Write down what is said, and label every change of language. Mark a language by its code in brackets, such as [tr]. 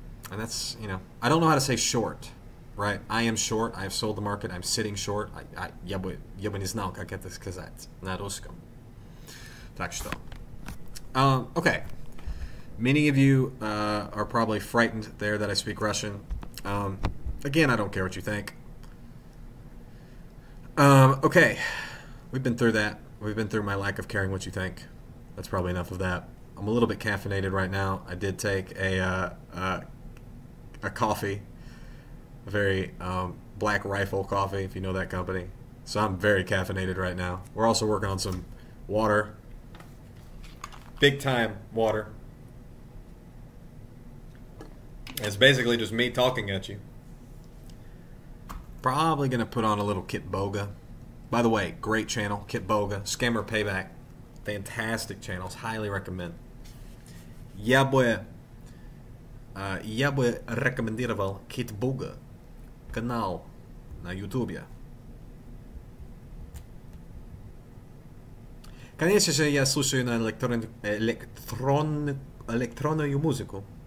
[en] And that's, you know, I don't know how to say short, right? I am short, I have sold the market, I'm sitting short. [ru] Я бы не знал, как это сказать на русском. Так что. [en] Okay. Many of you are probably frightened there that I speak Russian. Again, I don't care what you think. Okay. We've been through that. We've been through my lack of caring what you think. That's probably enough of that. I'm a little bit caffeinated right now. I did take a coffee, a very Black Rifle coffee, if you know that company. So I'm very caffeinated right now. We're also working on some water, big time water. It's basically just me talking at you. Probably gonna put on a little Kit Boga. By the way, great channel, Kit Boga, Scammer Payback. Fantastic channels, highly recommend. [ru] Я бы рекомендовал Кит Бога канал на Ютубе. Конечно же, я слушаю на электронную музыку.